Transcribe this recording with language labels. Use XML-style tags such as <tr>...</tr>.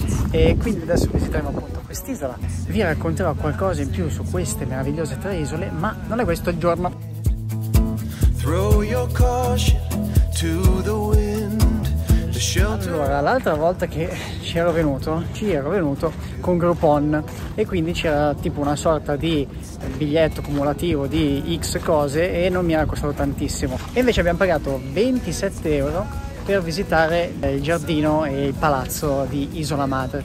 <it>E quindi adesso visiteremo appunto quest'isola, vi racconterò qualcosa in più su queste meravigliose tre isole, ma non è questo il giorno.</it> <en>Throw your caution to the wind.</en> <it>Allora, l'altra volta che ci ero venuto con Groupon e quindi c'era tipo una sorta di biglietto cumulativo di X cose e non mi era costato tantissimo. E invece abbiamo pagato 27 euro per visitare il giardino e il palazzo di Isola Madre.</it>